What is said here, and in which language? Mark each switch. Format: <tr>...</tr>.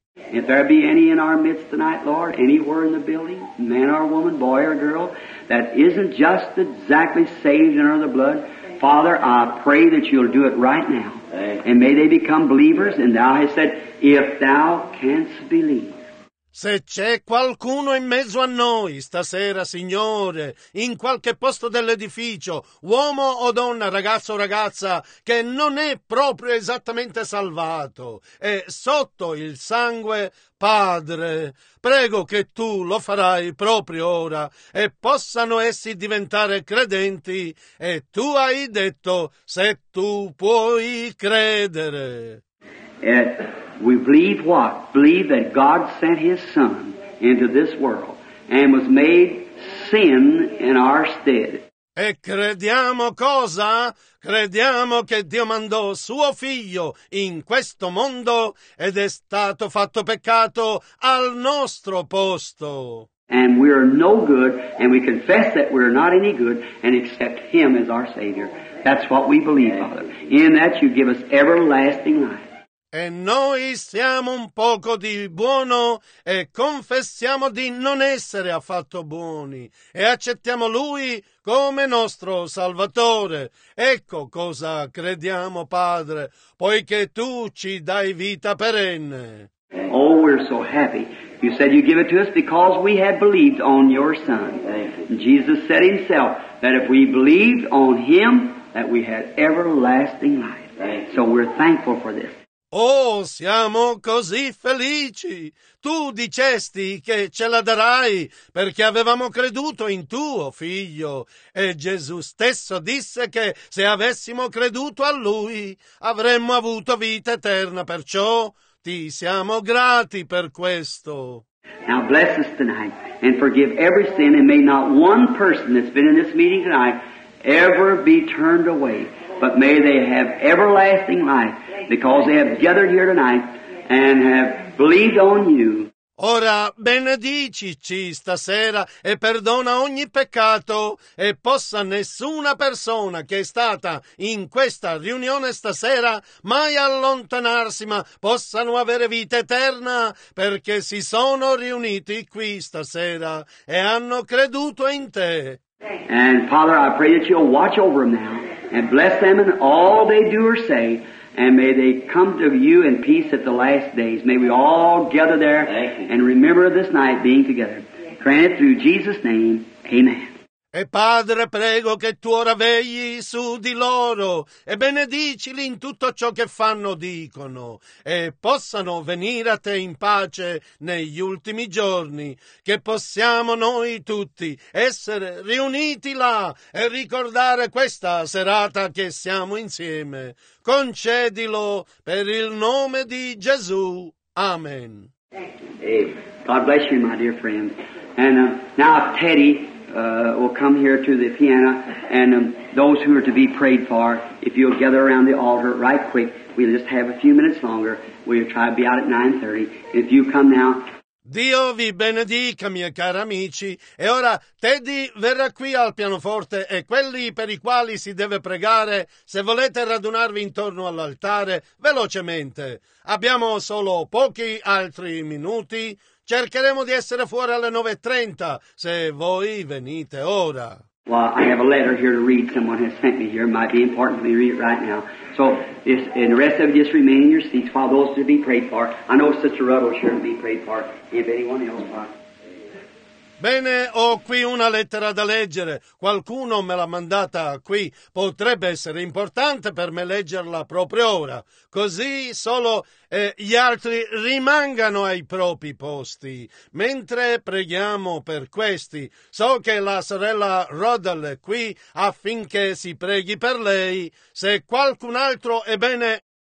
<en>If there be any in our midst tonight, Lord, anywhere in the building, man or woman, boy or girl, that isn't just exactly saved under the blood, Father, I pray that you'll do it right now. And may they become believers, and thou hast said, if thou canst believe.</en> <it>Se c'è qualcuno in mezzo a noi stasera, Signore, in qualche posto dell'edificio, uomo o donna, ragazzo o ragazza, che non è proprio esattamente salvato, è sotto il sangue, Padre, prego che tu lo farai proprio ora e possano essi diventare credenti. E tu hai detto, se tu puoi credere.</it> <en>We believe what? Believe that God sent His Son into this world and was made sin in our stead.</en> <it>E crediamo cosa? Crediamo che Dio mandò suo figlio in questo mondo ed è stato fatto peccato al nostro posto.</it> <en>And we are no good, and we confess that we are not any good, and accept Him as our Savior. That's what we believe, Father. In that you give us everlasting life.</en> <it>E noi siamo un poco di buono e confessiamo di non essere affatto buoni e accettiamo Lui come nostro Salvatore. Ecco cosa crediamo, Padre, poiché Tu ci dai vita perenne.</it> <en>Oh, we're so happy. You said you give it to us because we have believed on Your Son. Jesus said Himself that if we believed on Him, that we had everlasting life. So we're thankful for this.</en> <it>Oh, siamo così felici! Tu dicesti che ce la darai perché avevamo creduto in tuo figlio. E Gesù stesso disse che se avessimo creduto a lui avremmo avuto vita eterna. Perciò ti siamo grati per questo.</it> <en>Now bless us tonight and forgive every sin and may not one person that's been in this meeting tonight ever be turned away, but may they have everlasting life. Because they have gathered here tonight and have believed on you.</en> <it>Ora benedicici stasera e perdona ogni peccato e possa nessuna persona che è stata in questa riunione stasera mai allontanarsi, ma possano avere vita eterna perché si sono riuniti qui stasera e hanno creduto in te.</it> <en>And Father, I pray that you'll watch over them now and bless them in all they do or say. And may they come to you in peace at the last days. May we all gather there and remember this night being together. Grant it through Jesus' name. Amen.</en> <it>E Padre, prego che tu ora vegli su di loro e benedicili in tutto ciò che fanno o dicono, e possano venire a te in pace negli ultimi giorni, che possiamo noi tutti essere riuniti là e ricordare questa serata che siamo insieme. Concedilo per il nome di Gesù. Amen.</it> <en>God bless you, my dear friend. And now Teddy will come here to the piano, and those who are to be prayed for, if you'll gather around the altar right quick, we'll just have a few minutes longer. We'll try to be out at 9:30. If you come now.</en> <it>Dio vi benedica, miei cari amici. E ora Teddy verrà qui al pianoforte, e quelli per i quali si deve pregare, se volete radunarvi intorno all'altare velocemente. Abbiamo solo pochi altri minuti. Cercheremo di essere fuori alle 9:30, se voi venite ora.</it> <en>Well, I have a letter here to read. Someone has sent me here. It might be important for me to read it right now. So, and the rest of you just remain in your seats while those to be prayed for. I know Sister Ruddle should be prayed for. If anyone else wants.</en> <it>Bene, ho qui una lettera da leggere. Qualcuno me l'ha mandata qui. Potrebbe essere importante per me leggerla proprio ora. Così solo gli altri rimangano ai propri posti. Mentre preghiamo per questi, so che la sorella Roddle è qui affinché si preghi per lei. Se qualcun altro, ebbene,</it>